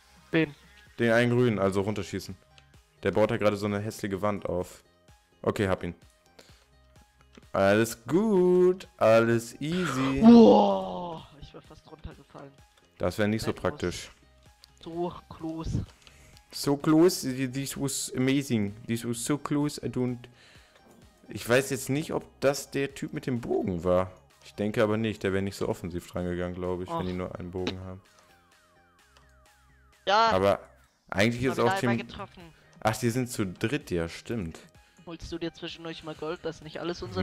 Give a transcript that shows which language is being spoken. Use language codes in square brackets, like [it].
[de] Wen? Den einen Grünen, also runterschießen. Der baut da gerade so eine hässliche Wand auf. Okay, hab ihn. Alles gut, alles easy. Boah, ich wäre fast runtergefallen. Das wäre nicht so praktisch. [en] So close. So close, this was amazing. This was so close, I don't. [de] Ich weiß jetzt nicht, ob das der Typ mit dem Bogen war. Ich denke aber nicht, der wäre nicht so offensiv drangegangen, glaube ich, wenn die nur einen Bogen haben. Ja, aber eigentlich ist auch Team. Getroffen. Ach, die sind zu dritt, ja, stimmt. Holst du dir zwischendurch mal Gold, dass nicht alles unser